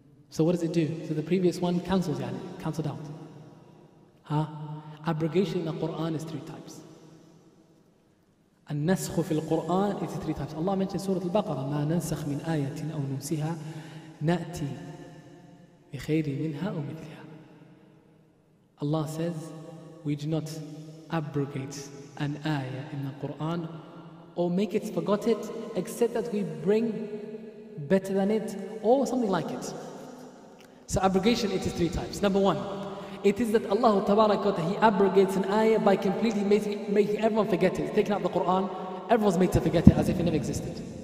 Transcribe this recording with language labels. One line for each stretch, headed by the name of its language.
English: So what does it do? So the previous one cancels, yani, cancelled out. Abrogation in the Quran is three types. An-naskhu fil Quran is three types. Allah mentioned Surah Al-Baqarah,
Arabic: مَا نَنْسَخْ مِنْ آيَةٍ أَوْ نُنْسِهَا نَأْتِي بِخَيْرِ مِنْهَا أَوْ مِثْلِهَا.
English: Allah says, we do not abrogate an ayah in the Quran or make it forget it, except that we bring better than it or something like it. So abrogation, it is three types. Number one, it is that Allah Tabarak wa Ta'ala, He abrogates an ayah by completely making everyone forget it. Taking out the Quran, everyone's made to forget it as if it never existed.